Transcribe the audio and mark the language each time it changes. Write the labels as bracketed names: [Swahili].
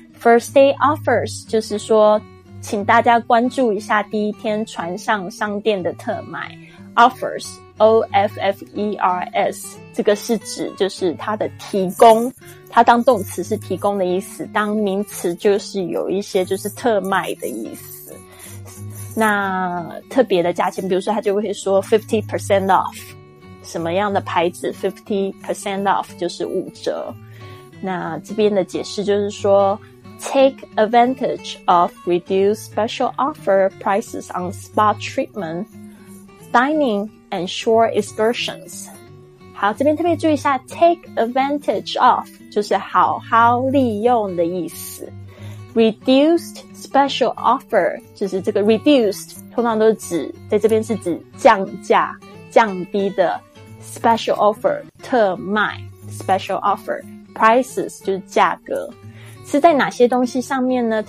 [Chinese] first day offers 就是说请大家关注一下第一天船上商店的特卖 offers, O-F-F-E-R-S, 这个是指就是它的提供，它当动词是提供的意思，当名词就是有一些就是特卖的意思，那特别的价钱，比如说他就会说 50% off, 什么样的牌子 50% off 就是五折。那这边的解释就是说 [English] take advantage of reduced special offer prices on spa treatment, dining and shore excursions。 [Chinese] 好，这边特别注意一下 take advantage of 就是好好利用的意思，Reduced special offer 就是这个 reduced 通常都是指在这边是指降价降低的 special offer 特卖 special offer prices 就是价格，是在哪些东西上面呢？